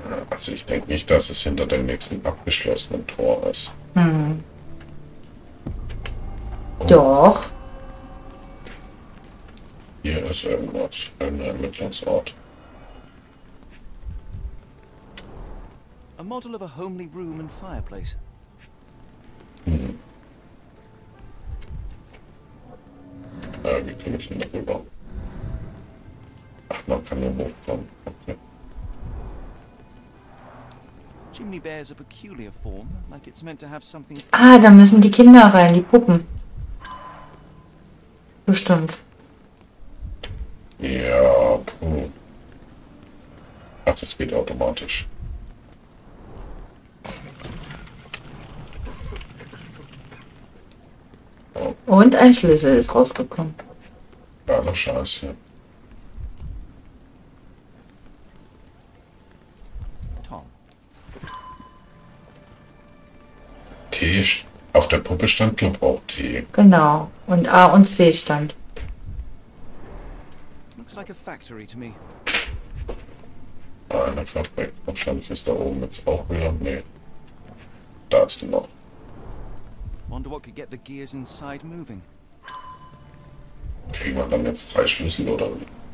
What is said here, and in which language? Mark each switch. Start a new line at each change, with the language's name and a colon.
German: Also ich denke nicht, dass es hinter dem nächsten abgeschlossenen Tor ist. Doch. Hier ist irgendwas, irgendein Ermittlungsort.
English: A model of a homely room and fireplace.
German: Wie komme ich denn darüber? Ach, man kann nur hochkommen. Okay.
English: Chimney bears a peculiar form, like it's meant to have something.
German: Ah, da müssen die Kinder rein, die Puppen. Bestimmt. Ja, puh. Ach, das geht automatisch. Oh. Und ein Schlüssel ist rausgekommen. Ja, noch Scheiße. Tom. T auf der Puppe stand, glaube ich, auch T. Genau. Und A und C stand.
English: Like a factory to me.
German: Eine Fabrik. Wahrscheinlich ist da oben jetzt auch wieder. Nee. Da ist noch.
English: Wonder what could get the gears inside moving.
German: Kriegen wir dann jetzt drei Schlüssel oder wie?